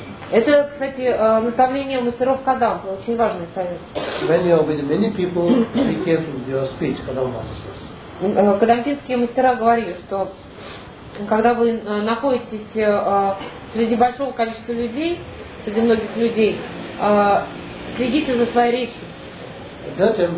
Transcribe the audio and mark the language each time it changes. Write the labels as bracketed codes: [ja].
[ru] Это, кстати, наставление мастеров Кадам. Очень важный совет. [en] When you are with many people, be careful with your speech, Кадам Маса says. [ru] Кадамкинские мастера говорили, что когда вы находитесь среди большого количества людей, среди многих людей, следите за своей речью.